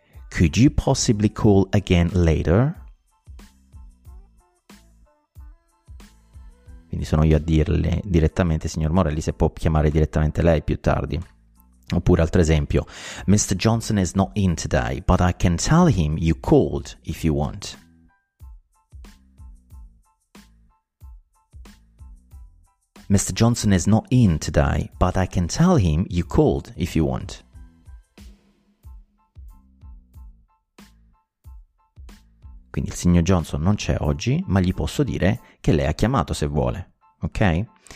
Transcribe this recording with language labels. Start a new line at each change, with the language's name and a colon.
English: Could you possibly call again later?
Italian: Quindi sono io a dirle direttamente, signor Morelli, se può chiamare direttamente lei più tardi. Oppure, altro esempio,
English: Mr. Johnson is not in today, but I can tell him you called if you want. Mr. Johnson is not in today, but I can tell him you called if you want.
Italian: Quindi il signor Johnson non c'è oggi, ma gli posso dire che lei ha chiamato se vuole, ok?